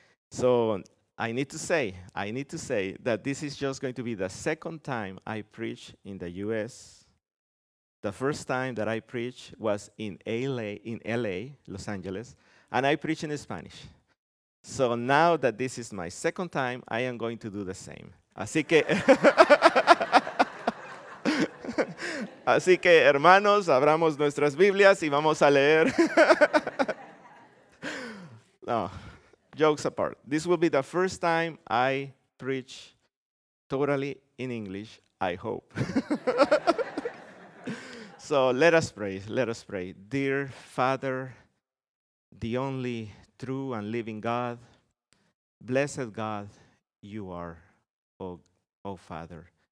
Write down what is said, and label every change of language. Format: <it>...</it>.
<en>So I need to say that this is just going to be the second time I preach in the U.S. The first time that I preach was in LA, Los Angeles, and I preach in Spanish. So now that this is my second time, I am going to do the same.</en> <es>Así que, hermanos, abramos nuestras Biblias y vamos a leer.</es> <en>No, jokes apart. This will be the first time I preach totally in English, I hope. So let us pray. Dear Father, the only true and living God, blessed God, you are, O Father.</en>